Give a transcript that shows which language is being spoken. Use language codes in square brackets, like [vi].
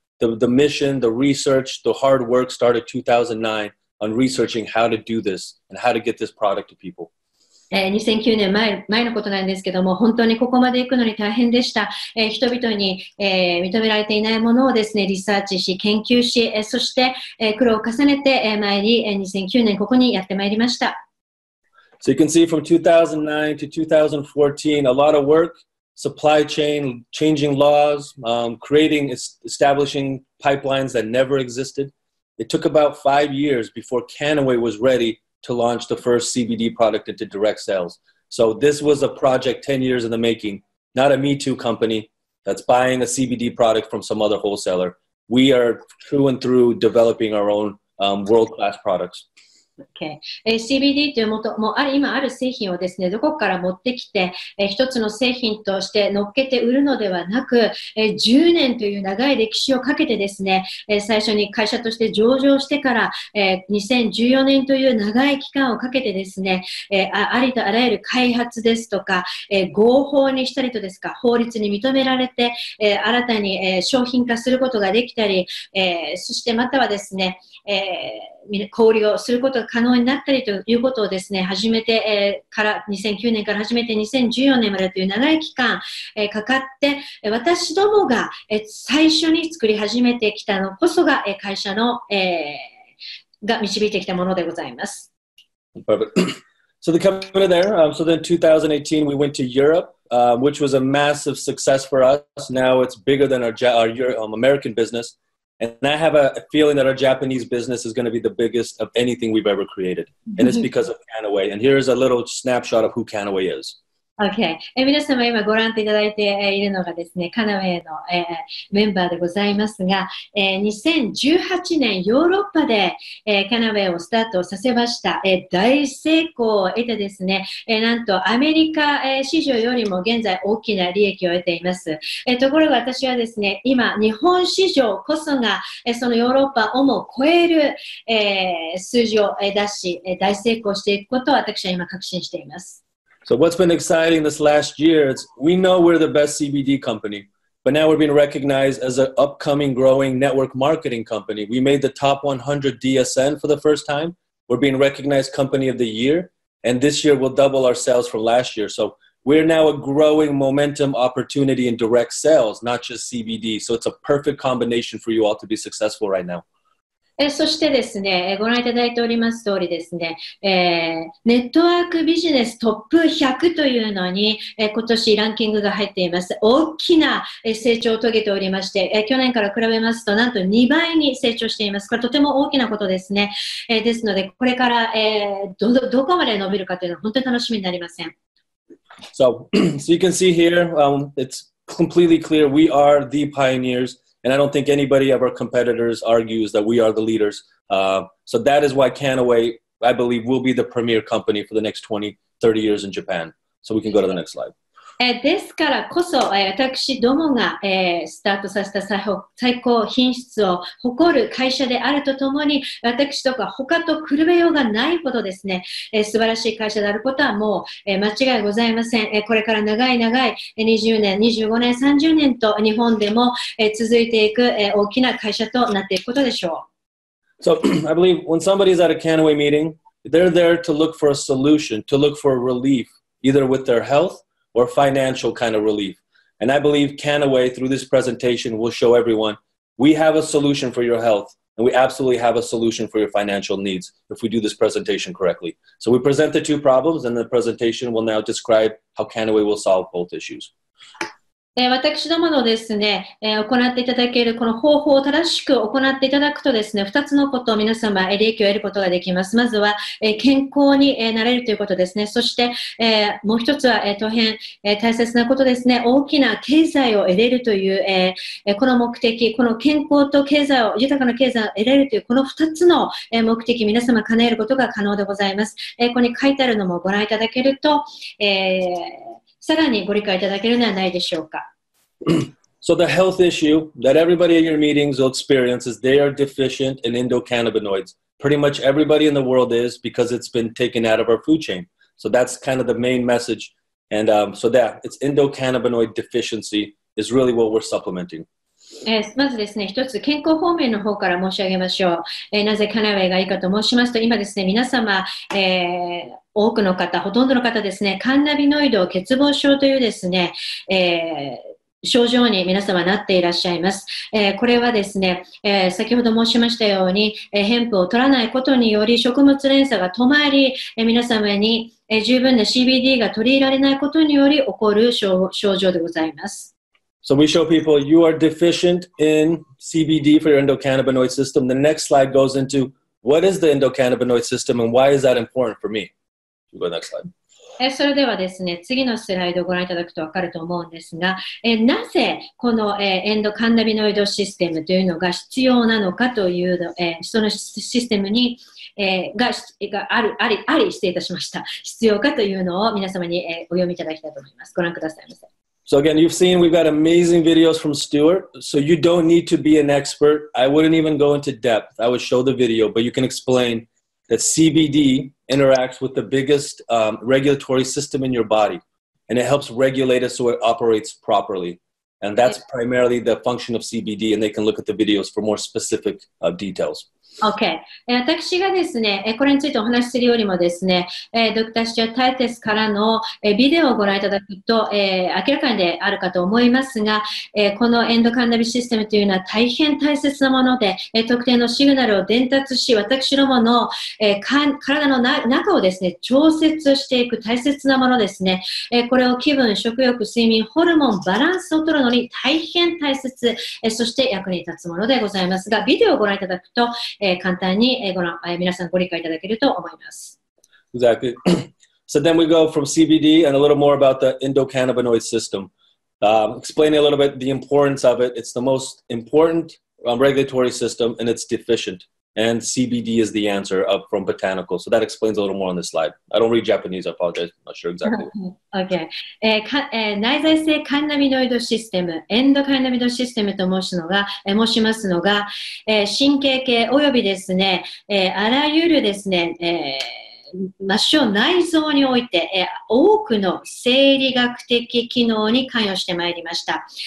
[en] The mission, the research, the hard work started 2009 on researching how to do this and how to get this product to people. [ja] 2009年 前のことなんですけども、本当にここまで行くのに大変でした。人々に、認められていないものをですね、リサーチし、研究し、そして、苦労を重ねて、前に、2009年ここにやってまいりました。 [en] So you can see from 2009 to 2014, a lot of work, supply chain, changing laws, creating, establishing pipelines that never existed. It took about 5 years before Kannaway was ready to launch the first CBD product into direct sales. So this was a project 10 years in the making, not a Me Too company that's buying a CBD product from some other wholesaler. We are through and through developing our own world-class products. Okay. [ja] CBD というもともある今ある製品をですね、どこから持ってきて、一つの製品として乗っけて売るのではなく、10年という長い歴史をかけてですね、最初に会社として上場してから、2014年という長い期間をかけてですね、ありとあらゆる開発ですとか、合法にしたりとですか、法律に認められて、新たに、商品化することができたり、そしてまたはですね、小売をすることが可能になったりということをですね、初めて、から2009年から始めて2014年までという長い期間、かかって、私どもが、最初に作り始めてきたのこそが、会社の、が導いてきたものでございます。 [en] Perfect. So the company there, so then 2018 we went to Europe, which was a massive success for us. Now it's bigger than our American business. And I have a feeling that our Japanese business is going to be the biggest of anything we've ever created. And it's because of Kannaway. And here's a little snapshot of who Kannaway is. Okay. [ja] 皆様今ご覧いただいているのがですね、カナウェイの、メンバーでございますが、2018年ヨーロッパで、カナウェイをスタートさせました。大成功を得てですね、なんとアメリカ、市場よりも現在大きな利益を得ています。ところが私はですね、今日本市場こそが、そのヨーロッパをも超える、数字を出し、大成功していくことを私は今確信しています。 [en] So what's been exciting this last year is we know we're the best CBD company, but now we're being recognized as an upcoming growing network marketing company. We made the top 100 DSN for the first time. We're being recognized company of the year, and this year we'll double our sales from last year. So we're now a growing momentum opportunity in direct sales, not just CBD. So it's a perfect combination for you all to be successful right now. [ja] そしてですね、ご覧いただいております通りですね、ネットワークビジネストップ100というのに、今年ランキングが入っています。大きな成長を遂げておりまして、去年から比べますとなんと2倍に成長しています。これとても大きなことですね。ですので、これから、どこまで伸びるかというのは本当に楽しみになりません。 [en] So, so you can see here,、it's completely clear we are the pioneers. And I don't think anybody of our competitors argues that we are the leaders. So that is why Kannaway, I believe, will be the premier company for the next 20, 30 years in Japan. So we can go to the next slide. [ja] ですからこそ、私どもが、スタートさせた最高品質を誇る会社であるとともに、私とか他と比べようがないほどですね、素晴らしい会社であることはもう、間違いございません。これから長い長い20年、25年、30年と日本でも、続いていく、大きな会社となっていくことでしょう。 [en] So, I believe when somebody is at a Kannaway meeting, they're there to look for a solution, to look for a relief, either with their health,or financial kind of relief. And I believe Kannaway, through this presentation, will show everyone, we have a solution for your health, and we absolutely have a solution for your financial needs if we do this presentation correctly. So we present the two problems, and the presentation will now describe how Kannaway will solve both issues. [ja] 私どものですね、行っていただけるこの方法を正しく行っていただくとですね、二つのことを皆様、利益を得ることができます。まずは、健康になれるということですね。そして、もう一つは、大変、大切なことですね。大きな経済を得れるという、この目的、この健康と経済を、豊かな経済を得れるという、この二つの目的、皆様、叶えることが可能でございます。ここに書いてあるのもご覧いただけると、さらにご理解いただけるのはないでしょうか。 [en] So the health issue that everybody in your meetings will experience is they are deficient in endocannabinoids. Pretty much everybody in the world is because it's been taken out of our food chain. So that's kind of the main message. And、so that it's endocannabinoid deficiency is really what we're supplementing. [ja] まずですね、一つ健康方面の方から申し上げましょう。なぜカナウェイがいいかと申しますと、今ですね、皆様、多くの方、ほとんどの方ですね、カンナビノイド欠乏症というですね、症状に皆様なっていらっしゃいます。これはですね、先ほど申しましたように、ヘンプを取らないことにより食物連鎖が止まり、皆様に、十分な CBD が取り入れられないことにより起こる 症状でございます。 [en] So we show people you are deficient in CBD for your endocannabinoid system. The next slide goes into what is the endocannabinoid system and why is that important for me? We'll go to the next slide. [ja] それではですね、次のスライドをご覧いただくと分かると思うんですが、なぜこの、エンドカンナビノイドシステムというのが必要なのかというの、そのシステムに、があり失礼いたしました。必要かというのを皆様に、お読みいただきたいと思います。ご覧くださいませ。 [en] So again, you've seen we've got amazing videos from Stuart. So you don't need to be an expert. I wouldn't even go into depth. I would show the video, but you can explain that CBD interacts with the biggest, regulatory system in your body. And it helps regulate it so it operates properly. And that's primarily the function of CBD. And they can look at the videos for more specific, details. Okay. [ja] 私がですね、これについてお話しするよりもですね、ドクターシチュアタイテスからのビデオをご覧いただくと、明らかにであるかと思いますが、このエンドカンナビシステムというのは大変大切なもので、特定のシグナルを伝達し、私どもの、体の中をですね、調節していく大切なものですね。これを気分、食欲、睡眠、ホルモン、バランスを取るのに大変大切、そして役に立つものでございますが、ビデオをご覧いただくと、 [en] Exactly. So then we go from CBD and a little more about the endocannabinoid system. Explain a little bit the importance of it. It's the most important, regulatory system and it's deficient. And CBD is the answer from botanical. So that explains a little more on this slide. I don't read Japanese, I apologize. I'm not sure exactly. Okay. [ja] 内在性カンナビノイドシステム、エンドカンナビノシステムと申しますのが、神経系およびですね、あらゆるですね、末梢内臓において、多くの生理学的機能に関与してまいりました。